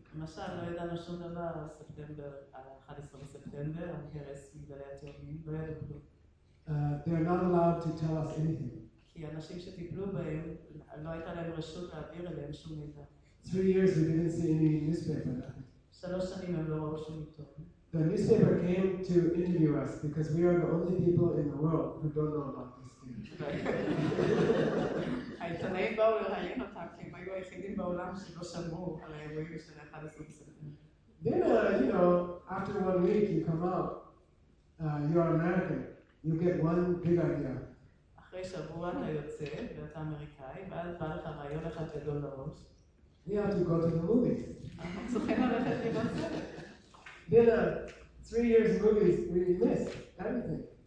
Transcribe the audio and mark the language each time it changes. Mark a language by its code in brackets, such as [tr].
[he] למשל, לא ידענו שום דבר על ספטמבר, על 11 בספטמבר, על הרס מגדלי התאומים, לא ידענו. [en] They are not allowed to tell us anything. [he] כי אנשים שטיפלו בהם, לא הייתה להם רשות להעביר אליהם שום מידע. [en] 3 years we didn't see any newspaper. [he] 3 שנים הם לא ראו שום עיתון. [en] The newspaper came to interview us because we are the only people in the world who don't know about this thing. [he] העיתונאים באו לראיין אותם כי הם היו היחידים בעולם שלא שמעו על האירועים של 11 בספטמבר. [en] Then, you know, after 1 week you come out, you are American, you get one big idea. [he] אחרי שבוע אתה יוצא ואתה אמריקאי, ואז בא לך רעיון אחד גדול לראש. [en] We have to go to the movies. [he] צריכים ללכת לראות סרט. [en] Then 3 years movies, we missed everything.